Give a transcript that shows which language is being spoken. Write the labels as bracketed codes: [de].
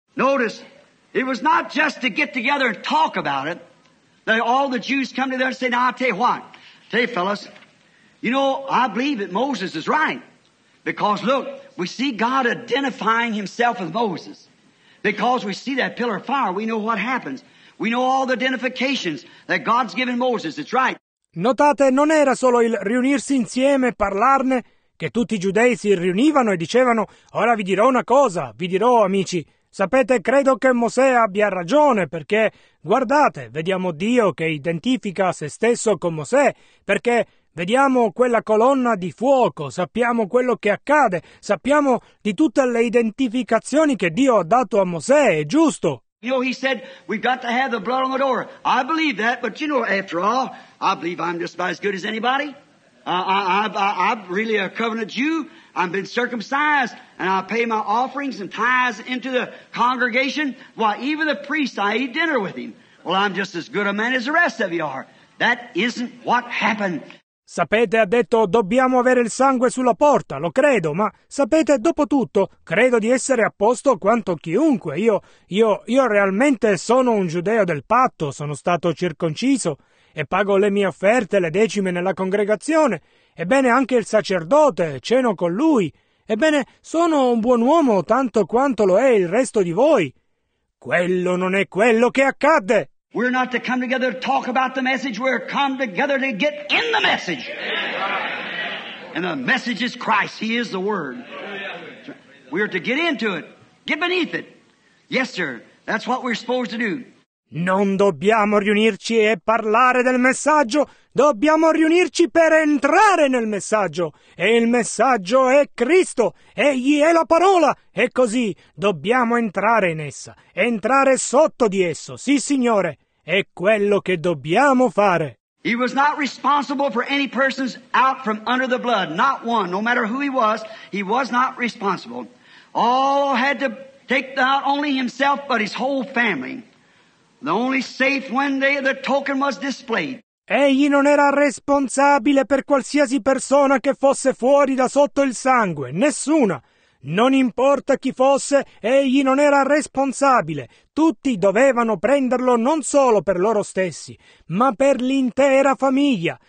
[en] Notice, it was not just to get together and talk about it. All the Jews come together and say, now, I'll tell you what. Tell you, fellas, you know, I believe that Moses is right. Because, look, we see God identifying himself with Moses. Because we see that pillar of fire, we know what happens. We know all the identifications that God's given Moses. It's right. [it] Notate, non era solo il riunirsi insieme e parlarne, che tutti i giudei si riunivano e dicevano, ora vi dirò una cosa, vi dirò, amici. Sapete, credo che Mosè abbia ragione, perché, guardate, vediamo Dio che identifica se stesso con Mosè, perché vediamo quella colonna di fuoco, sappiamo quello che accade, sappiamo di tutte le identificazioni che Dio ha dato a Mosè, è giusto. [en] You know, he said, we've got to have the blood on the door. I believe that, but you know, after all, I believe I'm just about as good as anybody. I'm really a covenant Jew. I've been circumcised, and I pay my offerings and tithes into the congregation. Why, even the priest, I eat dinner with him. Well, I'm just as good a man as the rest of you are. That isn't what happened. [it] Sapete, ha detto, dobbiamo avere il sangue sulla porta, lo credo, ma sapete, dopo tutto, credo di essere a posto quanto chiunque. Io realmente sono un giudeo del patto, sono stato circonciso e pago le mie offerte, le decime nella congregazione. Ebbene, anche il sacerdote, ceno con lui. Ebbene, sono un buon uomo tanto quanto lo è il resto di voi. Quello non è quello che accadde. [en] We're not to come together to talk about the message. We're come together to get in the message. And the message is Christ. He is the Word. We're to get into it. Get beneath it. Yes, sir. That's what we're supposed to do. [it] Non dobbiamo riunirci e parlare del messaggio. Dobbiamo riunirci per entrare nel messaggio. E il messaggio è Cristo. Egli è la parola. E così dobbiamo entrare in essa. Entrare sotto di esso. Sì, Signore. È quello che dobbiamo fare. [en] He was not responsible for any persons out from under the blood. Not one. No matter who he was not responsible. All had to take not only himself, but his whole family. The only safe when the token was displayed. [it] Egli non era responsabile per qualsiasi persona che fosse fuori da sotto il sangue, nessuna. Non importa chi fosse, egli non era responsabile. Tutti dovevano prenderlo non solo per loro stessi, ma per l'intera famiglia.